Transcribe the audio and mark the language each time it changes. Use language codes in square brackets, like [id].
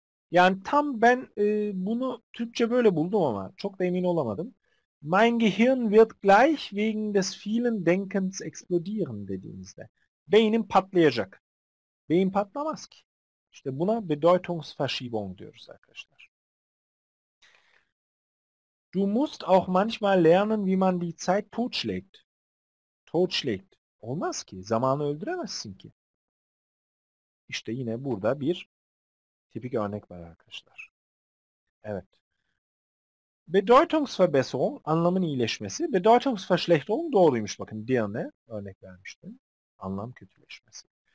[tr] Yani tam ben bunu Türkçe böyle buldum ama çok da emin olamadım. [de] Mein Gehirn wird gleich wegen des vielen Denkens explodieren [tr] dediğinizde. Beynim patlayacak. Beyin patlamaz ki. İşte buna Bedeutungsverschiebung diyoruz arkadaşlar. [de] Du musst auch manchmal lernen, wie man die Zeit totschlägt. [tr] Totschlägt. Olmaz ki. Zamanı öldüremezsin ki. İşte yine burada bir tipik örnek var arkadaşlar. Evet. Bedeutungsverbesserung, anlamın iyileşmesi. Bedeutungsverschlechterung doğruymuş bakın. Diğerine örnek vermiştim. Anlam kötüleşmesi.